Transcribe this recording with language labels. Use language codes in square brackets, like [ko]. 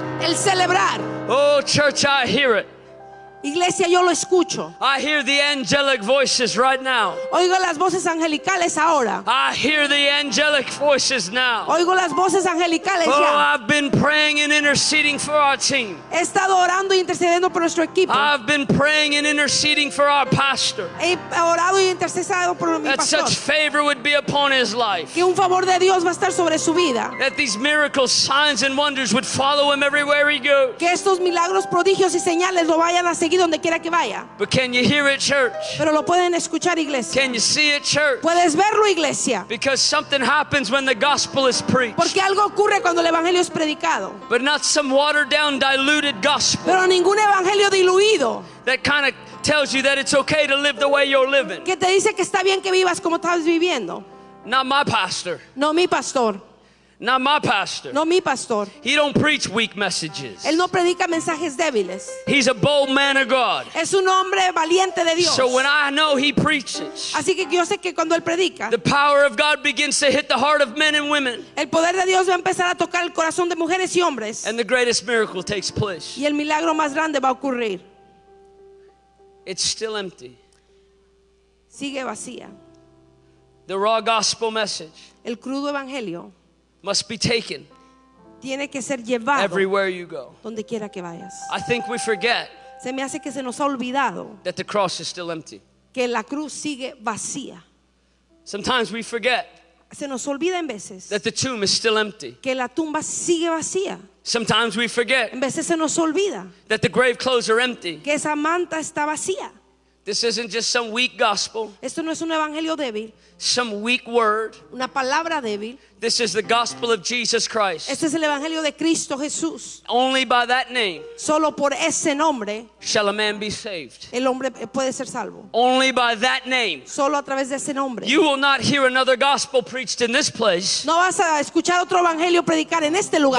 [es] El celebrar. [en] Oh, church, I hear it. [es] Iglesia, yo lo escucho. [en] I hear the angelic voices right now. [es] Oigo las voces angelicales ahora. [en] I hear the angelic voices now. [es] Oigo las voces angelicales oh, ya. [en] I've been praying and interceding for our team. [es] He estado orando e intercediendo por nuestro equipo. [en] I've been praying and interceding for our pastor. [es] He orado y intercesado por mi pastor. [en] That such favor would be upon his life. [es] Que un favor de Dios va a estar sobre su vida. [en] That these miracles, signs and wonders would follow him everywhere he goes. [es] Que estos milagros, prodigios y señales lo vayan a seguir donde quiera que vaya. [en] But can you hear it, church? [es] Pero lo pueden escuchar, iglesia. [en] Can you see it, church? [es] Puedes verlo, iglesia. [en] Because something happens when the gospel is preached. [es] Porque algo ocurre cuando el evangelio es predicado. [en] But not some watered down, diluted gospel. [es] Pero ningún evangelio diluido. [en] That kind of tells you that it's okay to live the way you're living. [es] Que te dice que está bien que vivas como estás viviendo. [en] Not my pastor. [es] No mi pastor. [en] Not my pastor. [es] No, mi pastor. [en] He don't preach weak messages. [es] Él no predica mensajes débiles. [en] He's a bold man of God. [es] Es un hombre valiente de Dios. [en] So when I know he preaches, [es] así que yo sé que cuando él predica, [en] the power of God begins to hit the heart of men and women. [es] El poder de Dios va a empezar a tocar el corazón de mujeres y hombres. [en] And the greatest miracle takes place. [es] Y el milagro más grande va a ocurrir. [en] It's still empty. [es] Sigue vacía. [en] The raw gospel message. [es] El crudo evangelio. [en] Must be taken. [es] Tiene que ser llevado. [en] Everywhere you go. [es] Donde quiera que vayas. [en] I think we forget. [es] Se me hace que se nos ha olvidado. [en] That the cross is still empty. [es] Que la cruz sigue vacía. [en] Sometimes we forget. [es] Se nos olvida en veces. [en] That the tomb is still empty. [es] Que la tumba sigue vacía. [en] Sometimes we forget. [es] En veces se nos olvida. [en] That the grave clothes are empty. [es] Que esa manta está vacía. [en] This isn't just some weak gospel. [es] Esto no es un evangelio débil. [en] Some weak word. [es] Una palabra débil. [en] This is the gospel of Jesus Christ. [es] Este es el evangelio de Cristo Jesús. [en] Only by that name. [es] Solo por ese nombre. [en] Shall a man be saved. [es] El hombre puede ser salvo. [en] Only by that name. [es] Solo a través de ese nombre. [en] You will not hear another gospel preached in this place. [es] No vas a escuchar otro evangelio predicar en este lugar.